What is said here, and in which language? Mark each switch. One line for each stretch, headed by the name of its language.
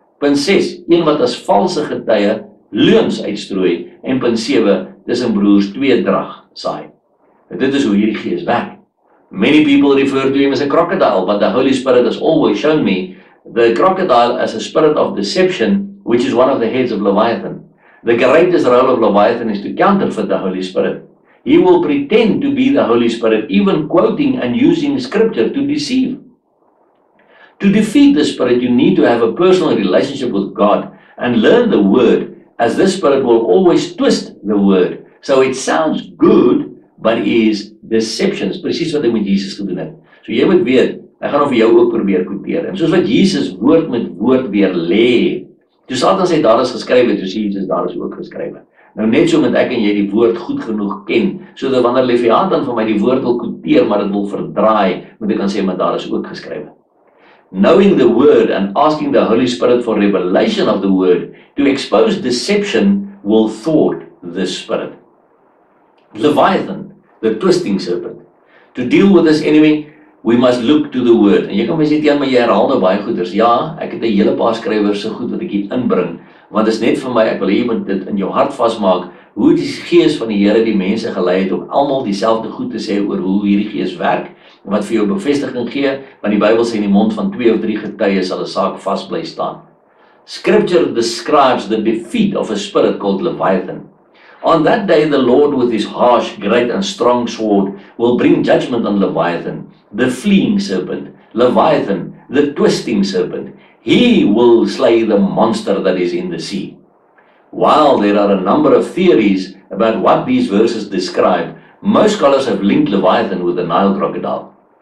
Afrikaans: Punt 6, een wat as valse getuie leuns uitstrooi. En punt 7, dis in broers tweedrag saai. Dit is hoe hierdie gees werk.
English: Many people refer to him as a crocodile, but the Holy Spirit has always shown me the crocodile as a spirit of deception, which is one of the heads of Leviathan. The greatest role of Leviathan is to counterfeit the Holy Spirit. He will pretend to be the Holy Spirit, even quoting and using scripture to deceive. To defeat the spirit, you need to have a personal relationship with God and learn the word, as this spirit will always twist the word. So it sounds good, but is deception.
Afrikaans: Precies wat hy met Jesus gedoen het. So jy moet weet, hy gaan vir jou ook probeer kopieer. En soos wat Jesus woord met woord weer lê, toe Satan sê daar is geskrywe, toe sê Jesus daar is ook geskrywe. Nou net so met ek en jy die woord goed genoeg ken, sodat wanneer Leviathan vir my die woord wil kopieer, maar dit wil verdraai, moet ek kan sê, maar daar is ook geskrywe.
English: Knowing the word and asking the Holy Spirit for revelation of the word to expose deception will thwart the spirit. Leviathan, the twisting serpent. To deal with this enemy, we must look to the word.
Afrikaans: En jy kan my sê, Tian, maar jy herhaal nou baie goeders. Ja, ek het 'n hele paar skrywers so goed wat ek hier inbring, want dit is net vir my, ek wil hê jy moet dit in jou hart vasmaak, hoe die gees van die Here die mense gelei het om almal dieselfde goed te sê oor hoe hierdie gees werk, wat vir jou bevestiging gee, want die Bybel sê in die mond van 2 of 3 getuies sal 'n saak vasbly staan.
English: Scripture describes the defeat of a spirit called Leviathan. On that day the Lord with his harsh, great and strong sword will bring judgment on Leviathan, the fleeing serpent, Leviathan, the twisting serpent. He will slay the monster that is in the sea. While there are a number of theories about what these verses describe, most scholars have linked Leviathan with the Nile crocodile.